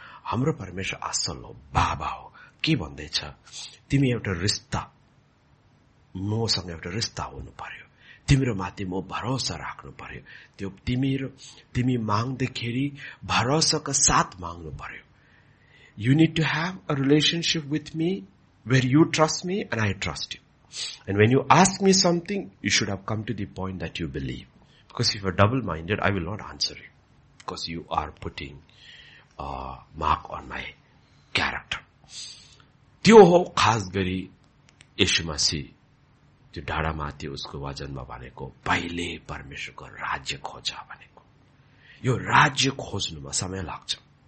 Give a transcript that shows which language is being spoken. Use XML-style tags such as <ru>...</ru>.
<ne>हाम्रो परमेश्वर असल हो, बाबा हो। के भन्दैछ? तिमी एउटा रिस्ता, मसँग एउटा रिस्ता हुनु पर्यो, तिम्रो माथि म भरोसा राख्नु पर्यो, त्यो तिमी माग्दाखेरि भरोसाको साथ माग्नु पर्यो।</ne> <en>You need to have a relationship with me where you trust me and I trust you. And when you ask me something, you should have come to the point that you believe. Because if you are double-minded, I will not answer you. Because you are putting a mark on my character.</en> <ne>त्यो हो खास गरी यीशु मसीह त्यो डाँडामा थियो उसको वचनमा भनेको पहिले परमेश्वरको राज्य खोज भनेको। यो राज्य खोज्नुमा समय लाग्छ।</ne>